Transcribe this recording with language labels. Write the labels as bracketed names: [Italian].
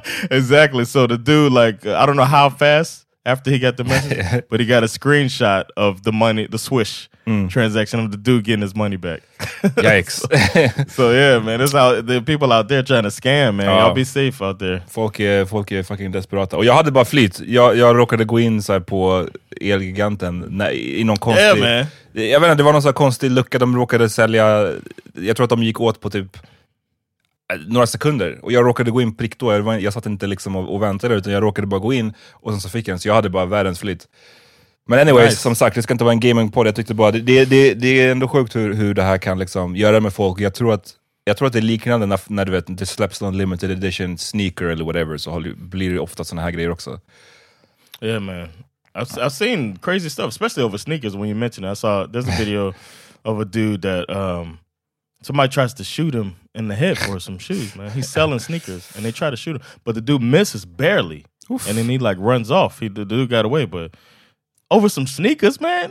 [English] Exactly. So the dude, like, I don't know how fast after he got the message, but he got a screenshot of the money, the swish transaction of the dude getting his money back. Yikes. So yeah, man, it's out. The people out there trying to scam, man. Y'all be safe out there. [Swedish] Folk är fucking desperata. Och jag hade bara flit. Jag råkade gå in så här på Elgiganten i någon konstig... Yeah, man. Jag vet inte, det var någon så här konstig lucka de råkade sälja. Jag tror att de gick åt på typ några sekunder, och jag råkade gå in prick då. Jag satt inte liksom och väntade, utan jag råkade bara gå in, och sen så fick jag den. Så jag hade bara världens flit. Men anyways, nice. Som sagt, det ska inte vara en gaming-podd. Jag tyckte bara, det är ändå sjukt hur det här kan liksom göra med folk. Jag tror att det är liknande när du vet, det släpps någon limited edition sneaker eller whatever, så blir det ofta såna här grejer också. [English] Yeah, man, I've seen crazy stuff, especially over sneakers. When you mentioned it, I saw there's a video of a dude that somebody tries to shoot him in the head for some shoes, man. He's selling sneakers, and they try to shoot him, but the dude misses barely. Oof. And then he like runs off. The dude got away, but over some sneakers, man.